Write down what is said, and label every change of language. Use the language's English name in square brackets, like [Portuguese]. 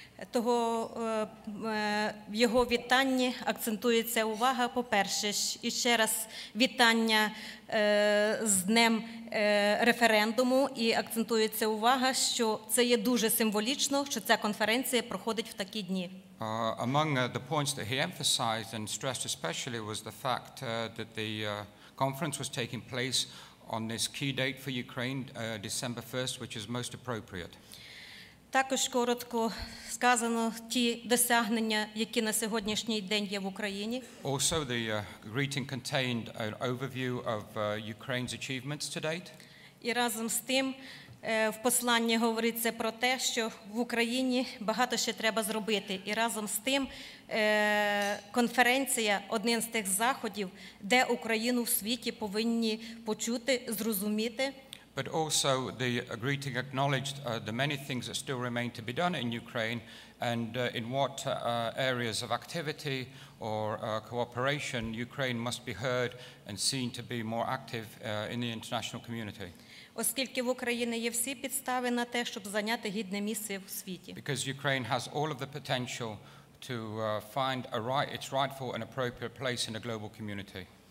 [Ukrainian] Того в його вітанні акцентується увага, по-перше, і ще раз вітання з днем референдуму, і акцентується увага, що це є дуже символічно, що ця конференція проходить в такі дні. [English] Among the points that he emphasized and stressed especially was the fact that the conference was taking place on this key date for Ukraine, December 1st, which is most appropriate. [Ukrainian] Також коротко сказано ті досягнення, які на сьогоднішній день є в Україні. [English] Also, the greeting contained an overview of Ukraine's achievements to date. [Ukrainian] І разом з тим, в посланні говориться про те, що в Україні багато ще треба зробити. І разом з тим, конференція – один з тих заходів, де Україну в світі повинні почути, зрозуміти. [English] But also the greeting acknowledged the many things that still remain to be done in Ukraine and in what areas of activity or cooperation Ukraine must be heard and seen to be more active in the international community. [Ukrainian] Оскільки в Україні є всі підстави на те, щоб зайняти гідне місце в світі. [English] Because Ukraine has all of the potential to find its rightful and appropriate place in a global community.